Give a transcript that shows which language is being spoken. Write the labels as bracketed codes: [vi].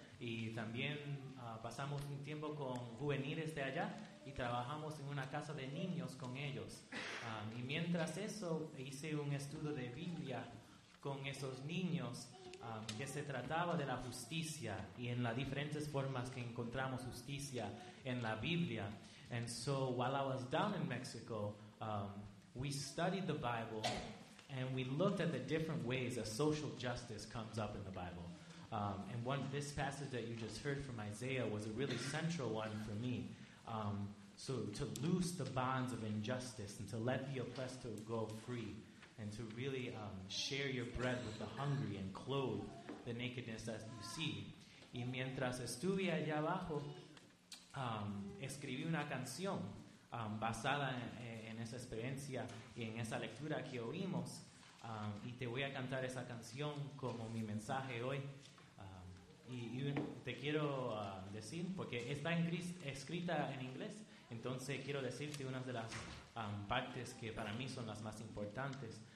[es] Y también pasamos un tiempo con juveniles de allá y trabajamos en una casa de niños con ellos. Y mientras eso hice un estudio de Biblia con esos niños que se trataba de la justicia y en las diferentes formas que encontramos justicia en la Biblia. [en] And so while I was down in Mexico, we studied the Bible and we looked at the different ways that social justice comes up in the Bible. And one, this passage that you just heard from Isaiah was a really central one for me. So to loose the bonds of injustice and to let the oppressed go free, and to really share your bread with the hungry and clothe the nakedness that you see. [es] Y mientras estuve allá abajo, escribí una canción basada en esa experiencia y en esa lectura que oímos. Y te voy a cantar esa canción como mi mensaje hoy. Y te quiero decir, porque está escrita en inglés, entonces quiero decirte unas de las partes que para mí son las más importantes.